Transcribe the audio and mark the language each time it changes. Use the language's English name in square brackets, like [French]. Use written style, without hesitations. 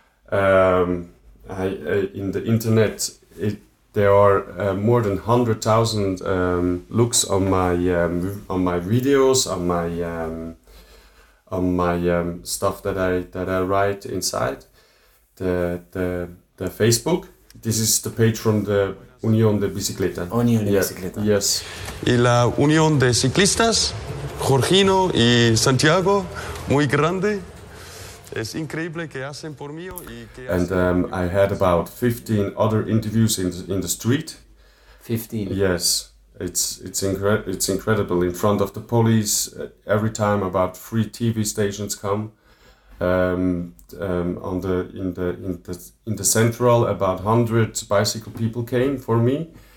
[English] In the internet, there are more than 100,000 looks on my videos, on my stuff that I write inside the Facebook. This is the page from the Unión de Bicicleta. Unión de Bicicleta. Yes. [Spanish] Y la Unión de Ciclistas, Jorgino y Santiago, muy grande. [English] And I had about 15 other interviews in the street. 15? Yes. It's incredible. In front of the police, every time about three TV stations come. In the central, about 100 bicycle people came for me.